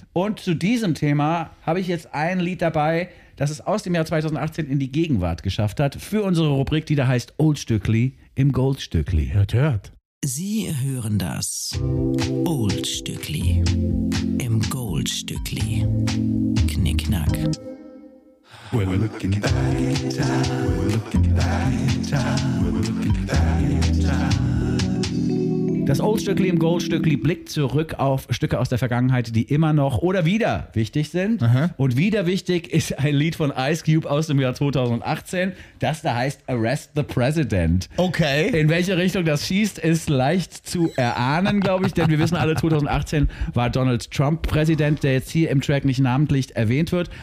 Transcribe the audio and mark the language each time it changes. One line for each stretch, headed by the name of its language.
German: Und zu diesem Thema habe ich jetzt ein Lied dabei, das es aus dem Jahr 2018 in die Gegenwart geschafft hat, für unsere Rubrik, die da heißt Old Stückli im Goldstückli. Hört, hört. Sie hören das Goldstückli im Goldstückli. Knickknack.
English: We're looking back in time. We're looking back in time. We're looking back in time.
German: Das Oldstückli im Goldstückli blickt zurück auf Stücke aus der Vergangenheit, die immer noch oder wieder wichtig sind. Aha. Und wieder wichtig ist ein Lied von Ice Cube aus dem Jahr 2018. Das da heißt Arrest the President. Okay. In welche Richtung das schießt, ist leicht zu erahnen, glaube ich. Denn wir wissen alle, 2018 war Donald Trump Präsident, der jetzt hier im Track nicht namentlich erwähnt wird.